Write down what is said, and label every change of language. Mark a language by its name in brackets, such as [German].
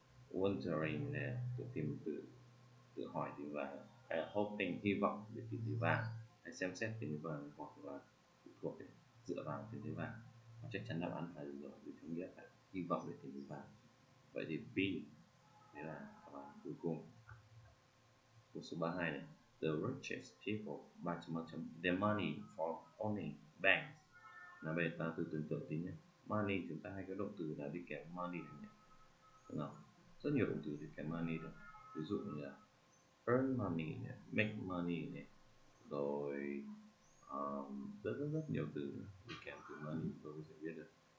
[Vietnamese] Wondering là tự tìm, tự hỏi tìm vàng, hay là hoping hy vọng để tìm tìm vàng, hãy xem xét tìm vàng hoặc là phụ thuộc để dựa vào tìm tìm vàng. Và chắc chắn đáp án là được rồi, vì thông nghĩa là hy vọng để tìm tìm vàng. Vậy thì B đây là đáp án cuối cùng. Câu số 32 này. [English] The richest people, 3.3, their money for owning banks. [Vietnamese] Nào bây giờ ta tự tưởng tượng tí nhé. Money chúng ta hay có động từ là đi kèm money này nhé. Nào, rất nhiều động từ đi kèm money đó. Ví dụ như là earn money này, make money này, rồi rất nhiều từ đi kèm từ money tôi có thể biết được.